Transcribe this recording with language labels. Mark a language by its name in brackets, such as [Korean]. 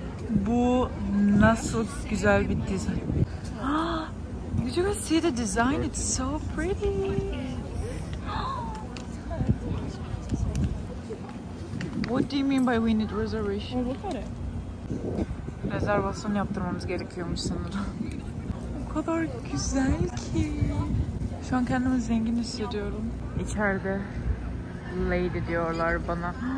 [Turkish] Bu nasıl güzel bir dizayn. [English] Did you guys see the design? It's so pretty. What do you mean by we need reservation? [Turkish] Rezervasyon yaptırmamız gerekiyormuş sanırım. O kadar güzel ki. Şu an kendimi zengin hissediyorum. İçeride lady diyorlar bana.